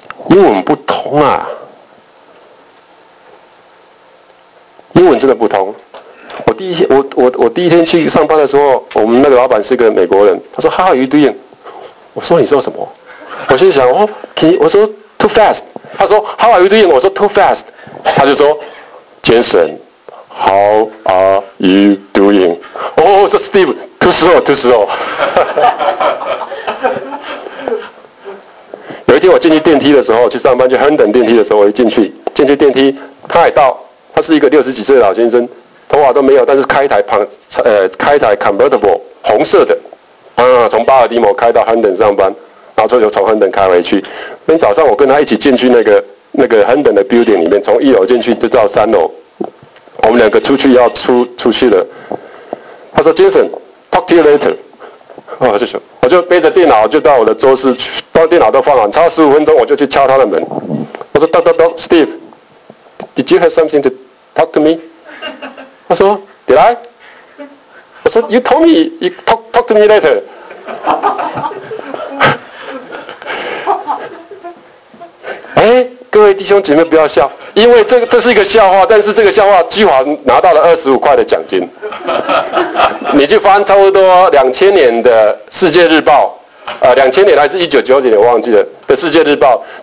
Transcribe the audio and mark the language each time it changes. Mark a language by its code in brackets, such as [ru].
[zh] 英文不通啊，英文真的不通。我第一天去上班的时候，我们那个老板是个美国人，他说 [en] How are you doing？ [zh] 我说你说什么？我心想哦，我说 [en] too fast。 [zh] 他说 [en] How are you doing？ [zh] 我说 [en] too fast。 [zh] 他就说 [en] Jason， How are you doing？ [zh] 哦，我说 [en] Steve， too slow， too slow。 [zh] 有一天我进去电梯的时候，去上班就很等电梯的时候，我一进去电梯，他也到，他是一个六十几岁的老先生。头发都没有，但是开一台 convertible 红色的，啊，从巴尔的摩开到亨登上班，然后就从亨登开回去。那天早上我跟他一起进去那个亨登的 building 里面，从一楼进去就到三楼，我们两个出去了。他说 Jason， [en] talk to you later。 [zh] 我就背着电脑就到我的桌子，把电脑都放好，差十五分钟我就去敲他的门。我说 [en] Dog Dog Dog Steve， did you have something to talk to me？ [zh] 他说 [en] ：“Did I？” [zh] 我说 [en] ：“You told me, you talk to me later。” [zh] 哎，各位弟兄姐妹不要笑，因为这是一个笑话，但是这个笑话居华拿到了25块的奖金。你去翻差不多2000年的《世界日报》，2000年还是1999年，我忘记了的《世界日报》。